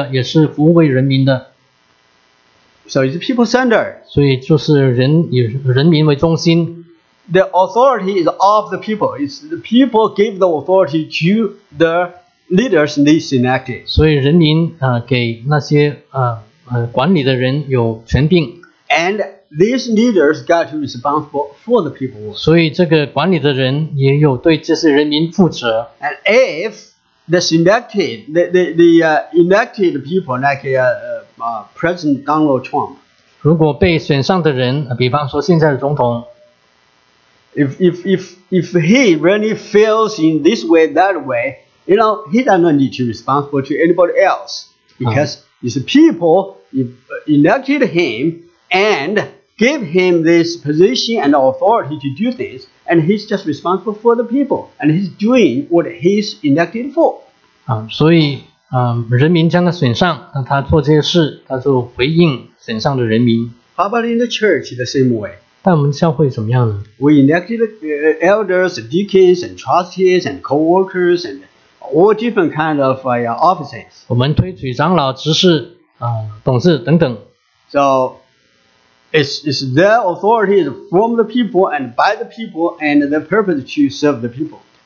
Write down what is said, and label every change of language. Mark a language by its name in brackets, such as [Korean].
[Chinese] 所以美国的民主是说是由人民出来的，是属于人民的，也是服务为人民的。 [English] So it's people centered. [Chinese] 所以就是人以人民为中心。 [English] The authority is of the people. It's the people give the authority to the leaders they selected. [Chinese] 所以人民给那些管理的人有权柄。 [English] And these leaders got to be responsible for the people. [Chinese] 所以这个管理的人也有对这些人民负责。 [English] And if the selected, the elected people, like President Donald Trump, [Chinese] 如果被选上的人，比方说现在的总统， [English] If he really fails in this way, that way, you know, he does not need to be responsible to anybody else. Because his people elected him and gave him this position and authority to do this, and he's just responsible for the people, and he's doing what he's elected for. [Chinese] 所以人民将他损上，那他做这些事，他就回应损上的人民。 [English] How about in the church, the same way? [Chinese] 但我们教会怎么样呢? [English] We elected elders, deacons, and trustees, and co-workers, and all different kinds of offices. [Chinese] 我们推举长老、执事、董事等等。 [English] So, it's their authority is from the people and by the people and the purpose to serve the people.